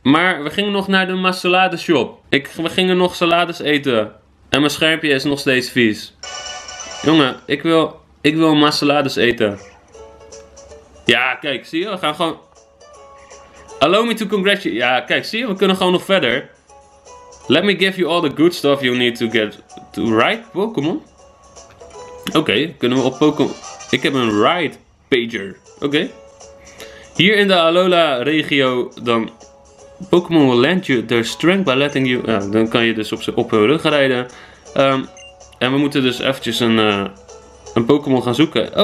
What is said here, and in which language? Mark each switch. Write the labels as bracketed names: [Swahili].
[Dutch] Maar we gingen nog naar de masalade shop. We gingen nog salades eten. En mijn schermpje is nog steeds vies. Jongen, ik wil masalades eten. Ja, kijk, zie je? We gaan gewoon... [English] Allow me to congratulate... [Dutch] Ja, kijk, zie je? We kunnen gewoon nog verder. [English] Let me give you all the good stuff you need to get to ride Pokémon. [Dutch] Oké, kunnen we op Pokémon... Ik heb een Ride Pager. Oké. Hier in de Alola-regio dan... [English] Pokémon will lend you their strength by letting you... [Dutch] Ja, dan kan je dus op hun rug rijden. En we moeten dus eventjes een Pokémon gaan zoeken.